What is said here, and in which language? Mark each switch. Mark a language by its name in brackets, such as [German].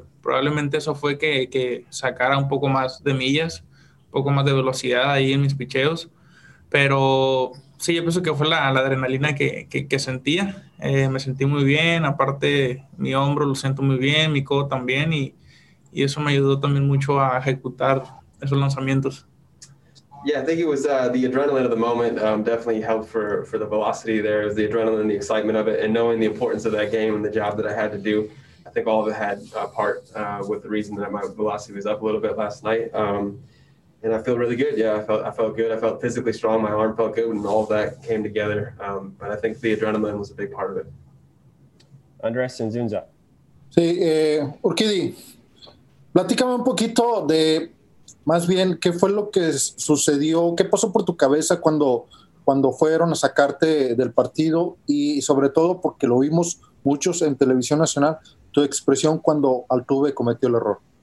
[Spanish] Probablemente eso fue que sacara un poco más de millas, un poco más de velocidad ahí en mis picheos. Pero sí, yo pienso que fue la adrenalina que sentía. Me sentí muy bien, aparte mi hombro lo siento muy bien, mi codo también, y eso me ayudó también mucho a ejecutar esos lanzamientos. [English] Yeah, I think it was the adrenaline of the moment definitely helped for the velocity there. It was the adrenaline, the excitement of it, and knowing the importance of that game and the job that I had to do. I think all of it had a part with the reason that my velocity was up a little bit last night. And I feel really good. Yeah, I felt good. I felt physically strong. My arm felt good, and all of that came together. But I think the adrenaline was a big part of it. Andres and Zunza. [Spanish] Sí, Urquidy, platícame un poquito de, más bien, qué fue lo que sucedió, qué pasó por tu cabeza cuando, fueron a sacarte del partido, y sobre todo porque lo vimos muchos en Televisión Nacional, tu expresión cuando Altuve cometió el error.